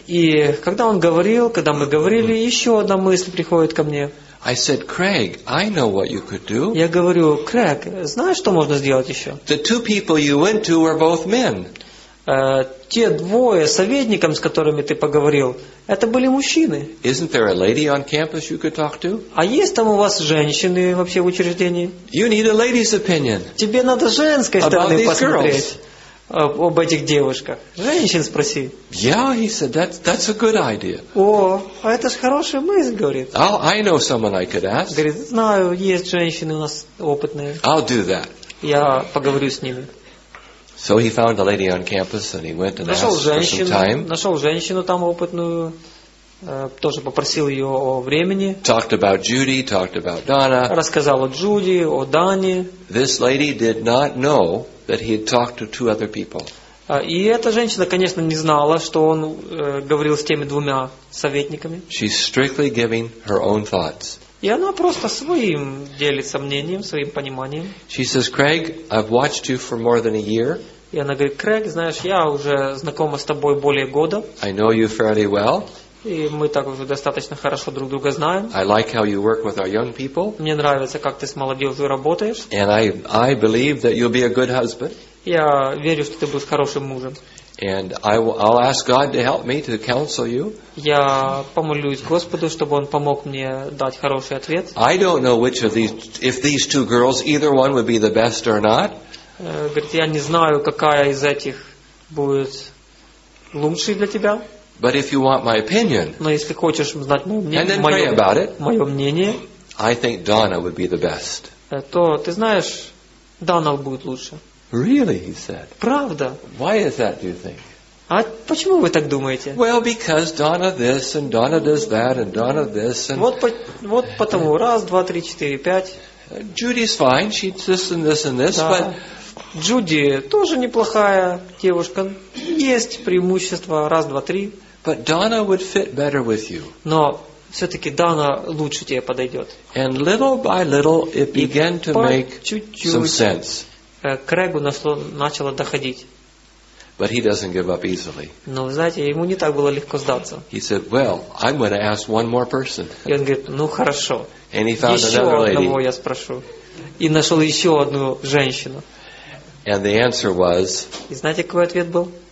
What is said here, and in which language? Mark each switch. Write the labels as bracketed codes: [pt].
[ru] И когда он говорил, когда мы говорили, еще одна мысль приходит ко мне. [en] I said, Craig, I know what you could do. [ru] Я говорю, Крэг, знаешь, что можно сделать еще? [en] The two people you went to were both men. [ru] Те двое советникам, с которыми ты поговорил, это были мужчины. [en] Isn't there a lady on campus you could talk to? [ru] А есть там у вас женщины вообще в учреждении? [en] You need a lady's opinion. [ru] Тебе надо женской стороны посмотреть. Об этих девушках. Женщин спроси. [en] Yeah, he said, that's a good idea. [ru] О, а это ж хорошая мысль, говорит. [en] I know someone I could ask. [ru] Говорит, знаю, есть женщины у нас опытные. [en] I'll do that. [ru] Я поговорю с ними. [en] So he found a lady on campus and he went and [ru] нашел [en] asked [ru] женщину, [en] for some time. [ru] Нашел женщину там опытную, тоже попросил ее о времени. [en] Talked about Judy, talked about Donna. [ru] Рассказал о Джуди, о Дане. [en] This lady did not know that he had talked to two other people. [ru] И эта женщина, конечно, не знала, что он говорил с теми двумя советниками. [en] She's strictly giving her own thoughts. [ru] И она просто своим делится мнением, своим пониманием. [en] She says, Craig, I've watched you for more than a year. [ru] И она говорит, Крэг, знаешь, я уже знакома с тобой более года. [en] I know you fairly well. [ru] И мы так уже достаточно хорошо друг друга знаем. [en] I like how you work with our young people. [ru] Мне нравится, как ты с молодежью работаешь. [en] And I believe that you'll be a good husband. [ru] Я верю, что ты будешь хорошим мужем. [en] And I'll ask God to help me to counsel you. [ru] Я помолюсь Господу, чтобы он помог мне дать хороший ответ. [en] I don't know which of these, if these two girls, either one would be the best or not. [ru] Говорит, я не знаю, какая из этих будет лучшей для тебя. [en] But if you want my opinion, [ru] но если хочешь знать мое мнение, [en] and then pray about it, [ru] мое мнение, [en] I think Donna would be the best. [ru] То ты знаешь, Дана будет лучше. [en] Really, he said. [ru] Правда. [en] Why is that, do you think? [ru] А почему вы так думаете? [en] Well, because Donna this and Donna does that and Donna this and. [ru] Вот потому раз, два, три, четыре, пять. [en] Judy's fine. She's this and this and this, [ru] да. [en] But. [ru] Джуди тоже неплохая девушка. Есть преимущества. Раз, два, три. [en] But Donna would fit better with you. [ru] Но все-таки Дана лучше тебе подойдет. [en] And little by little it began to make some sense. [ru] Крэгу начало доходить. [en] But he doesn't give up easily. [ru] Но, знаете, ему не так было легко сдаться. [en] He said, well, I'm going to ask one more person. [ru] И он говорит, ну хорошо. [en] And he found [ru] еще [en] another lady. [ru] Одного я спрошу. И нашел еще одну женщину. [en] And the answer was. [ru] И знаете, какой ответ был?